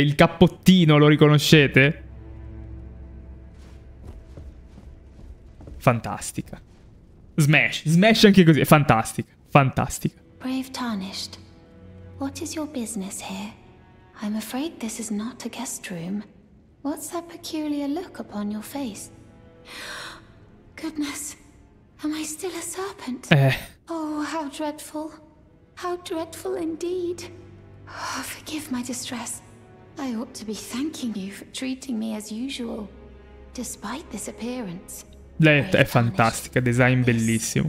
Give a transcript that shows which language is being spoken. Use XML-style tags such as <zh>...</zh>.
<it>Il cappottino, lo riconoscete? Fantastica. Smash anche così, è fantastica. Fantastica.</it> <en>Brave Tarnished, what is your business here? I'm afraid this is not a guest room. What's that peculiar look upon your face? Goodness, am I still a serpent? Oh, how dreadful. How dreadful indeed. Oh, forgive my distress. I ought to be thanking you for treating me as usual, despite this appearance.</en> <it>Lei è fantastica, design bellissimo.</it>